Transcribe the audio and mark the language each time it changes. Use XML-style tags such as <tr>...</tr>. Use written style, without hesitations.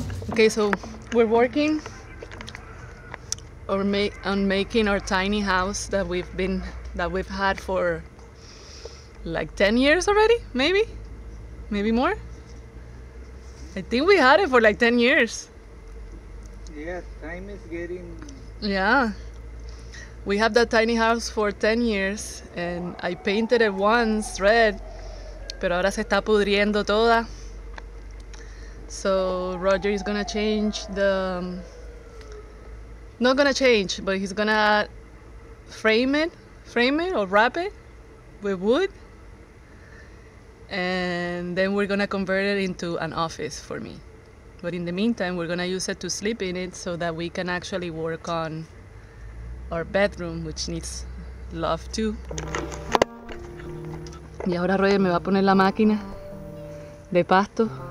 <en>Okay, so we're working on making our tiny house that we've had for like 10 years already, maybe? Maybe more? I think we had it for like 10 years. Yeah, time is getting... Yeah. We have that tiny house for 10 years and wow. I painted it once red,</en> <es>pero ahora se está pudriendo toda.</es> <en>So Roger is gonna change the, not gonna change, but he's gonna frame it or wrap it with wood. And then we're gonna convert it into an office for me. But in the meantime, we're gonna use it to sleep in it so that we can actually work on our bedroom, which needs love too.</en> <es>Y ahora Roger me va a poner la máquina de pasto.</es>